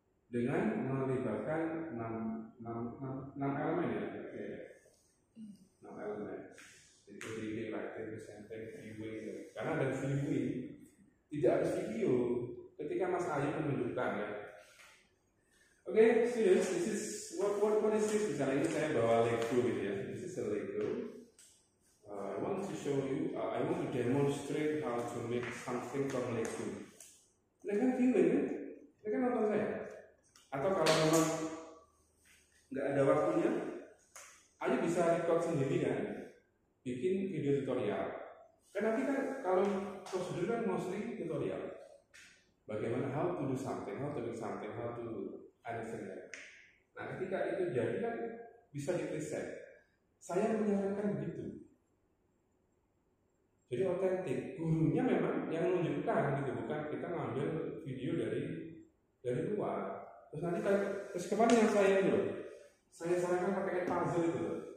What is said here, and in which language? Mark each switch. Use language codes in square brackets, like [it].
[id] Dengan melibatkan 6 elemen ya, oke ya, 6 elemen. Itu reading, writing, presenting, viewing, ya. Karena ada viewing, tidak harus video, ketika Mas Ayu menunjukkan ya. [en] Oke, okay, serious, this is, what is this? [id] Misalnya ini saya bawa Lego gitu ya, [en] this is a Lego. I want to show you, I want to demonstrate how to make something from Lego. [id] Ini kan viewing ya, ini kan nonton saya. Atau kalau memang gak ada waktunya, Ayu bisa record sendiri kan, bikin video tutorial. Kan nanti kan kalau prosedur kan [en] mostly tutorial. Bagaimana, how to do something, how to make something, how to anything. [id] Nah ketika itu jadi kan bisa dipreset. Saya menyarankan begitu. Jadi otentik, gurunya memang yang menunjukkan gitu, bukan kita ngambil video dari luar. Terus nanti kan, terus kemarin yang saya itu, saya sarankan pakai puzzle itu.